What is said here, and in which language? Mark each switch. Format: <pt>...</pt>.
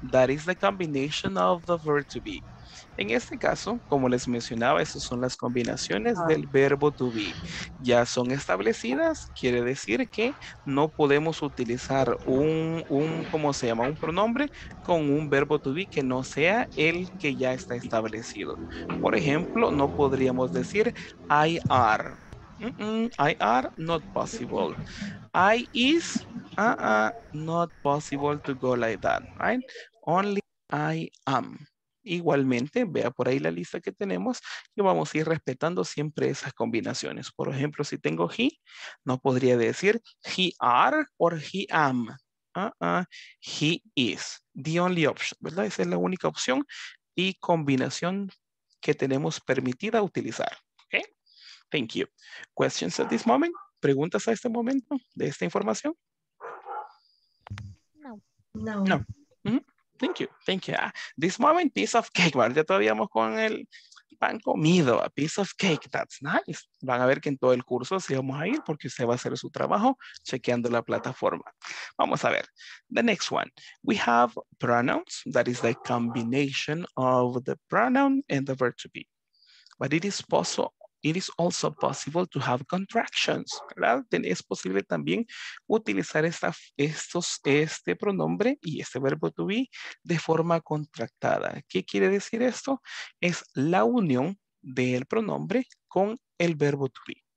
<en>That is the combination of the verb to be.</en> <es>En este caso, como les mencionaba, esas son las combinaciones del verbo to be. Ya son establecidas, quiere decir que no podemos utilizar un pronombre con un verbo to be que no sea el que ya está establecido. Por ejemplo, no podríamos decir I are.</es> <en>I are not possible. I is not possible to go like that, right? Only I am.</en> <es>Igualmente, vea por ahí la lista que tenemos y vamos a ir respetando siempre esas combinaciones. Por ejemplo, si tengo he, no podría decir</es> <en>he are or he am. He is. The only option,</en> <es>¿verdad? Esa es la única opción y combinación que tenemos permitida utilizar.</es> <en>Thank you. Questions at this moment?</en> <es>¿Preguntas a este momento de esta información? No.</es> <en>Thank you. This moment, piece of cake.</en> <es>¿Vale? Ya todavía vamos con el pan comido.</es> <en>A piece of cake. That's nice.</en> <es>Van a ver que en todo el curso sí vamos a ir porque usted va a hacer su trabajo chequeando la plataforma. Vamos a ver.</es> <en>The next one. We have pronouns. That is the combination of the pronoun and the verb to be. But it is possible. It is also possible to have contractions, ¿verdad?</en> <es>Es posible también utilizar este pronombre y este verbo to be de forma contractada. ¿Qué quiere decir esto? Es la unión del pronombre con el verbo to be.</es>